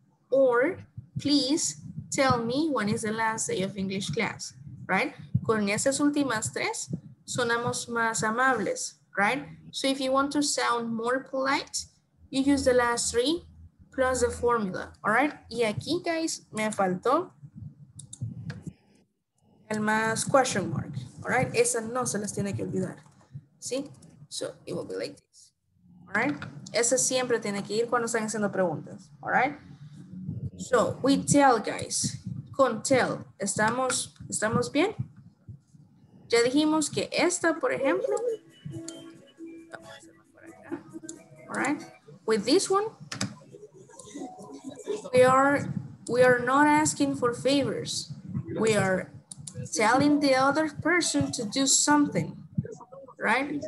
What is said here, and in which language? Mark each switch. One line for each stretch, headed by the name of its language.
English: Or please tell me when is the last day of English class, right?
Spanish: Con esas últimas tres, sonamos más amables,
English: right? So if you want to sound more polite, you use the last three plus the formula, all right?
Spanish: Y aquí,
English: guys,
Spanish: me faltó el más
English: question mark, all right?
Spanish: Esa no se las tiene que olvidar, ¿sí?
English: So it will be like this, all right?
Spanish: Esa siempre tiene que ir cuando están haciendo preguntas,
English: all right? So we tell, guys,
Spanish: con tell, ¿estamos bien? Ya dijimos que esta, por ejemplo,
English: all right? With this one, we are not asking for favors. We are telling the other person to do something, right?